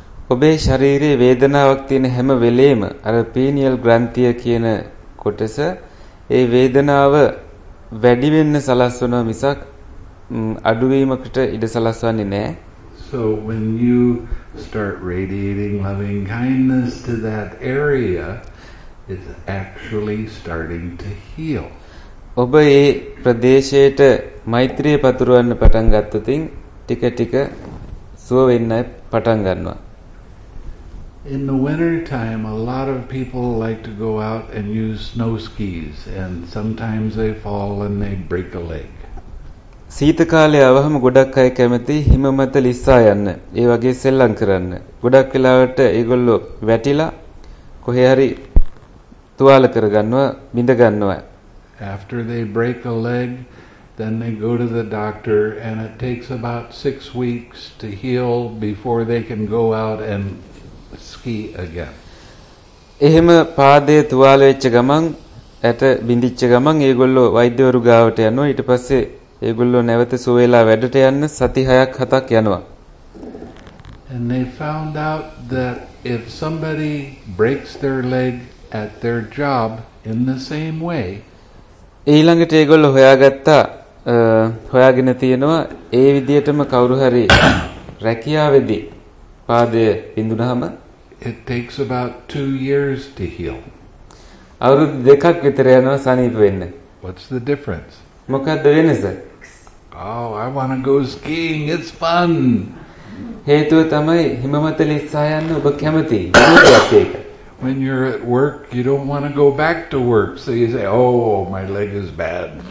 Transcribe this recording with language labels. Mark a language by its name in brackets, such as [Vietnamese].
[Sinhala] ඔබේ ශරීරයේ වේදනාවක් තියෙන හැම වෙලේම අර pineal ග්‍රන්ථිය කියන කොටස ඒ වේදනාව වැඩි වෙන්න සලස්වන මිසක් අඩුවීමකට ඉඩ සලස්වන්නේ නැහැ. [English] So when you start radiating loving kindness to that area, it's actually starting to heal. [Sinhala] ඔබ ඒ ප්‍රදේශයට මෛත්‍රිය පතුරවන්න පටන් ගත්තොතින් ටික ටික සුව වෙන්න පටන් ගන්නවා. [English] In the winter time, a lot of people like to go out and use snow skis, and sometimes they fall and they break a leg. [Sinhala] සීත කාලයේ අවහම ගොඩක් අය කැමති හිම මත ලිස්සා යන්න. ඒ වගේ සෙල්ලම් කරන්න. ගොඩක් වෙලාවට ඒගොල්ලෝ වැටිලා කොහේ හරි තුවාල කරගන්නවා, බිඳ ගන්නවා. [English] After they break a leg, then they go to the doctor and it takes about 6 weeks to heal before they can go out and ski again. [Sinhala] එහෙම පාදයේ තුවාල වෙච්ච ගමන් ඇට බිඳිච්ච ගමන් ඒගොල්ලෝ වෛද්‍යවරු ගාවට යනවා. ඊට පස්සේ ඒගොල්ලෝ නැවත සුවේලා වැඩට යන්න සති 6ක් 7ක් යනවා. [English] And they found out that if somebody breaks their leg at their job in the same way, [Sinhala] ඊළඟට ඒගොල්ලෝ හොයාගත්තා හොයාගෙන තියෙනවා ඒ විදිහටම කවුරු හරි රැකියාවේදී පාදයේ බිඳුනහම [English] it takes about 2 years to heal. [Sinhala] අවුරුදු දෙකක් විතර යනවා සනීප වෙන්න. [English] What's the difference? [Sinhala] මොකද්ද වෙනස? [English] Oh, I want to go skiing. It's fun. [Sinhala] හේතුව තමයි හිමමත ලිස්සා යන්න ඔබ කැමති. [English] When you're at work, you don't want to go back to work. So you say, "Oh, my leg is bad."